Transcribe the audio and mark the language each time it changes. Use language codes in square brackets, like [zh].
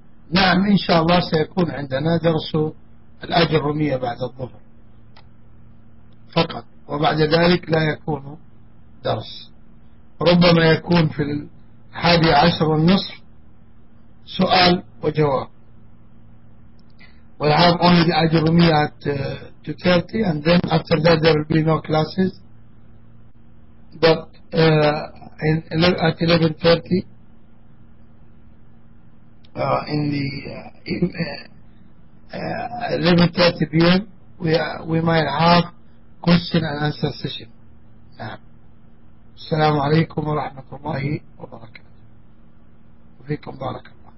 [ar] نعم إن شاء الله سيكون عندنا درس الأجرمية بعد الظهر فقط، وبعد ذلك لا يكون درس، ربما يكون في 11:30 سؤال وجواب. [en] We'll have only the Ajrumi at 2:30 and then after that there will be no classes. But at 11:30 11:30 p.m. we might have question and answer session. [ar] السلام عليكم ورحمة الله وبركاته، وفيكم بركة.